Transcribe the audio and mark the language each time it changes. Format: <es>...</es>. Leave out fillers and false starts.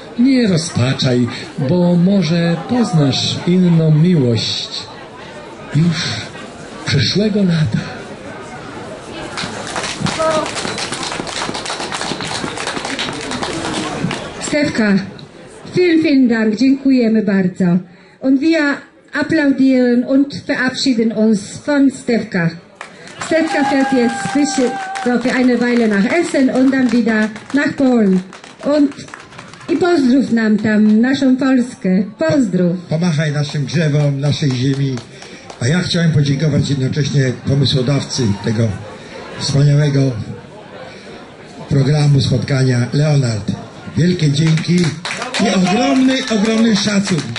<pl>Nie rozpaczaj, bo może poznasz inną miłość już przyszłego lata.</pl> <de>Stefka, vielen Dank,</de> <pl>dziękujemy bardzo.</pl> <de>Und wir applaudieren und verabschieden uns von Stefka. Stefka fährt jetzt für eine Weile nach Essen und dann wieder nach Polen.</de> <pl>Und i pozdrów nam tam, naszą Polskę. Pozdrów. Pomachaj naszym drzewom, naszej ziemi. A ja chciałem podziękować jednocześnie pomysłodawcy tego wspaniałego programu, spotkania. Leonard, wielkie dzięki i ogromny, ogromny szacun.</pl>